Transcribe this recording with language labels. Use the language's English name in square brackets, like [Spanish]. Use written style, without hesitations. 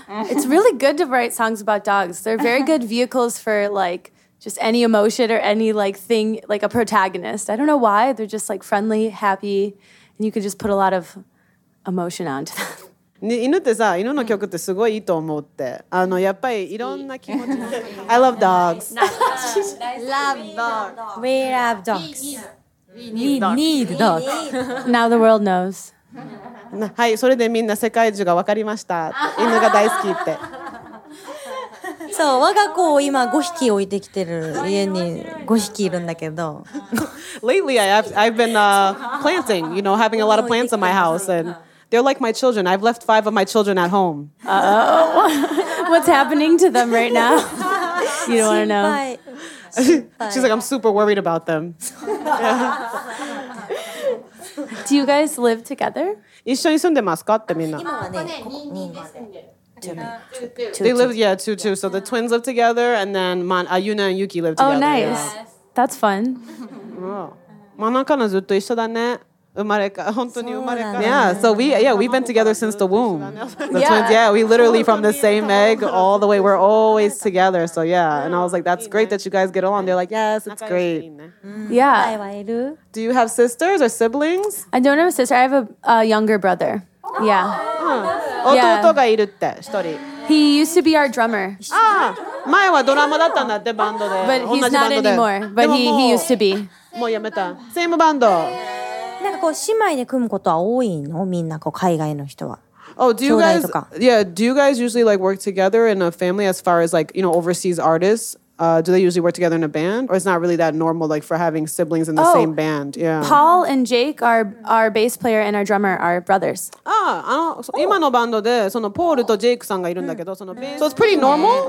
[English] It's really good to write songs about dogs. They're very good vehicles for, like, just any emotion or any like thing, like a protagonist. I don't know why. They're just like friendly, happy, and you can just put a lot of emotion onto them. [Japanese] 犬ってさ、犬の曲ってすごいいいと思って。あの、やっぱりいろんな気持ち。 [English] I love dogs. Love dogs. We love dogs. We need dogs. Now the world knows. [Japanese] はい、それでみんな世界中が分かりました。犬が大好きって。そう、我が子を今5匹置いてきてる。家に5匹いるんだけど。 [English] Lately, I've been planting, you know, having a lot of plants in my house, and they're like my children. I've left 5 of my children at home. Uh-oh. What's happening to them right now? You don't want to know. She's like, I'm super worried about them. Yeah. Do you guys live together? [Japanese] 一緒に住んでますかってみんな。今はね、2人です。 [English] Two. So the twins live together, and then Ayuna and Yuki live together. Oh, nice. Yeah. That's fun. [Japanese] Manakana zutto issho da ne. Umareka, hontoni umareka. [English] Yeah, so we've been together since the womb. The twins, yeah, we literally from the same egg all the way. We're always together. So yeah, and I was like, that's great that you guys get along. They're like, yes, it's great. Yeah. Do you have sisters or siblings? I don't have a sister. I have a younger brother. Yeah. Yeah. He used to be our drummer. [Japanese] Ah, 前はドラマだったんだってバンドで。 [English] But he's not anymore. But he used to be. [Japanese] もうやめた。セームバンド。なんかこう姉妹で組むことは多いの？みんなこう海外の人は。 [English] Oh, do you guys? Yeah, do you guys usually like work together in a family as far as like, you know, overseas artists? Do they usually work together in a band? Or it's not really that normal like for having siblings in the same band? Yeah. Paul and Jake, our bass player and our drummer, are brothers. [Japanese] Ah, oh. 今のバンドでそのポールとジェイクさんがいるんだけど、その、 [English] so it's pretty normal?